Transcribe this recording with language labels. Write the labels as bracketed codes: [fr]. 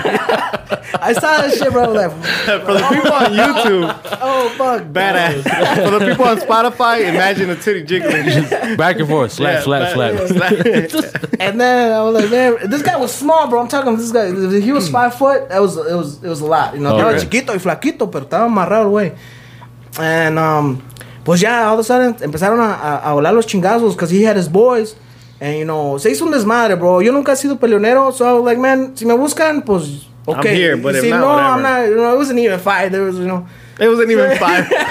[en] I saw that shit, bro. Like, for the people on YouTube. Oh fuck, badass. For the people on Spotify, imagine a titty jiggling back and forth, slap, yeah, slap, slap. And then I was like, man, this guy was small, bro. I'm talking this guy. He was 5 foot. It was a lot, you know. [es] Estaba chiquito y flaquito, pero estaba amarrado, güey. [en] And [es] pues ya, [en] all of a sudden, [es] empezaron a volar los chingazos [en] because he had his boys. [es] And, you know, se hizo un desmadre, bro. Yo nunca he sido peleonero. [en] So I was like, man, [es] si me buscan, pues, okay. [en] I'm here, but see, if not, no, whatever. I'm not. You know, it wasn't even five. There was, you know. It wasn't even five.